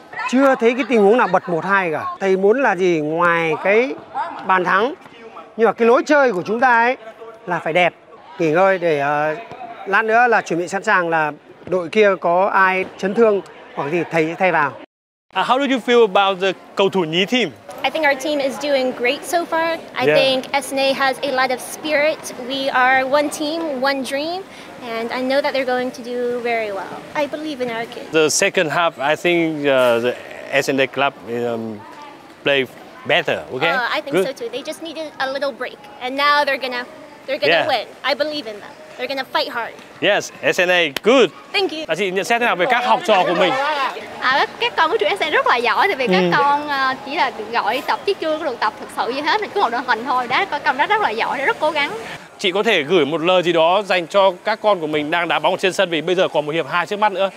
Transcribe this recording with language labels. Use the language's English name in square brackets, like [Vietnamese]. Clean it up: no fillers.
[Vietnamese] Chưa thấy cái tình huống nào bật 1-2 cả. Thầy muốn là gì ngoài cái bàn thắng? Nhưng mà cái lối chơi của chúng ta ấy là phải đẹp. Nghỉ ngơi để lát nữa là chuẩn bị sẵn sàng là đội kia có ai chấn thương hoặc gì thầy sẽ thay vào. [English] How do you feel about the [Vietnamese] cầu thủ nhí [English] team? I think our team is doing great so far. I think SNA has a lot of spirit. We are one team, one dream, and I know that they're going to do very well. I believe in our kids. The second half, I think the SNA club play better, okay? Oh, I think good. So too. They just needed a little break, and now they're gonna win. I believe in them. They're gonna fight hard. Yes, SNA, good. Thank you. [Vietnamese] Là chị nhận xét thế nào về các học trò của mình? Các con của chủ SNA rất là giỏi, tại vì các con chỉ là được gọi tập chứ chưa có được tập thực sự gì hết, cứ một đội hình thôi. Đá coi cầm rất là giỏi, rất cố gắng. Chị có thể gửi một lời gì đó dành cho các con của mình đang đá bóng trên sân vì bây giờ còn một hiệp 2 trước mắt nữa.